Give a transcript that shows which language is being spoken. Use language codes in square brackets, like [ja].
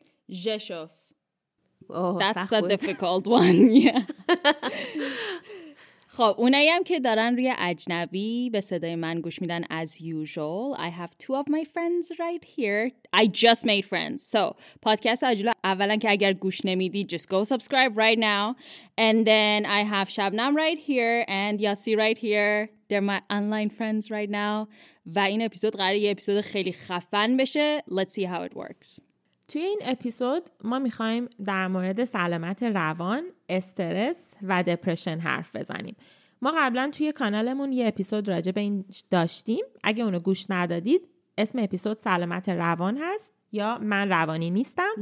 [en] ژشوف. That's a difficult one. Yeah. [fa] خب اونایی هم که دارن روی اجنبی به صدای من گوش میدن، [en] as usual I have two of my friends right here. I just made friends. So [fa] پادکست آجیل اولا که اگر گوش نمیدی [en] just go subscribe right now. And then I have Shabnam right here and Yasi right here. They're my online friends right now. [fa] و این اپیزود قراره یه اپیزود خیلی خفن بشه. [en] Let's see how it works. [fa] توی این اپیزود ما میخواییم در مورد سلامت روان، استرس و دپرشن حرف بزنیم. ما قبلا توی کانالمون یه اپیزود راجع به این داشتیم. اگه اونو گوش ندادید، اسم اپیزود سلامت روان هست یا من روانی نیستم.